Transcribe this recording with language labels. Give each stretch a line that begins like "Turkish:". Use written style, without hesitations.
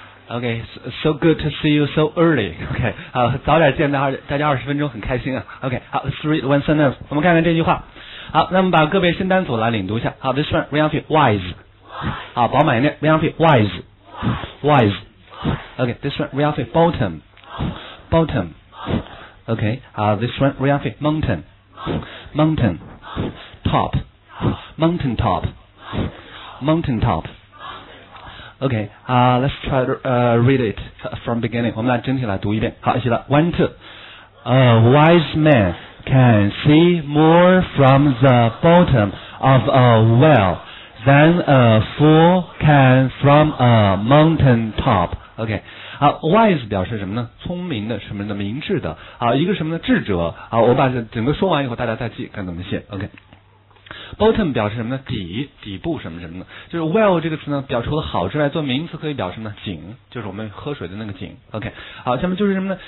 English: Okay, so good to see you so early.
Chinese: Okay, 好，早点见到大家二十分钟，很开心啊。Okay, 好 ，
English: three one sentence，
Chinese: 我们看看这句话。好，那么把个别新单组来领读一下。
English: 好 ，this one, read out wise。好，
Chinese: 饱满一点
English: ，read out wise, wise。 Okay, this one, read out bottom, bottom。 Okay, 好 ，this one, read out mountain, mountain, top, mountain top, mountain top。 Okay, let's try to read it from beginning.
Chinese: 我们来整体来读一遍。好，一起来。
English: One, two. A wise man can see more from the bottom of a well than a fool can from a mountain top. Okay.
Chinese: 好 ，wise 表示什么呢？聪明的，什么的，明智的。好，一个什么的智者。好，我把整个说完以后，大家再记该怎么写。Okay. Bottom 表示什么呢？底部什么什么的，就是 well 这个词呢，表除了好之外，做名词可以表示什么呢？井，就是我们喝水的那个井。OK， 好，下面就是什么呢？